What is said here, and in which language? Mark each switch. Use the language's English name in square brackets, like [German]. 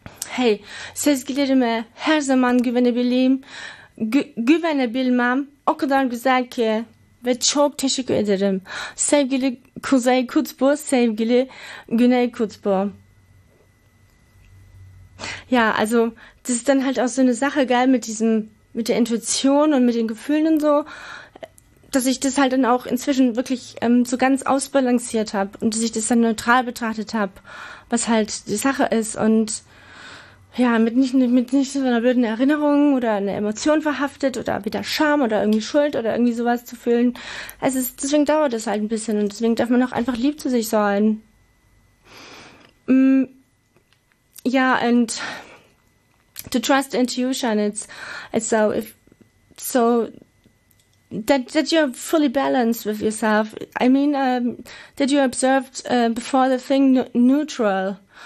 [Turkish] Hey, sevgilerime her zaman güvenebileyim, güvenebilmem o kadar güzel ki. Ve çok teşekkür ederim. Sevgili Kuzey Kutbu, sevgili Güney Kutbu. [German] Ja, also das ist dann halt auch so eine Sache, gell, mit der Intuition und mit den Gefühlen und so, dass ich das halt dann auch inzwischen wirklich so ganz ausbalanciert habe und dass ich das dann neutral betrachtet habe, was halt die Sache ist. Und ja, mit nicht so einer blöden Erinnerung oder einer Emotion verhaftet oder wieder Scham oder irgendwie Schuld oder irgendwie sowas zu fühlen. Deswegen dauert es halt ein bisschen und deswegen darf man auch einfach lieb zu sich sein. [English] Ja, and to trust intuition, it's so that you're fully balanced with yourself. I mean, that you observed before the thing neutral.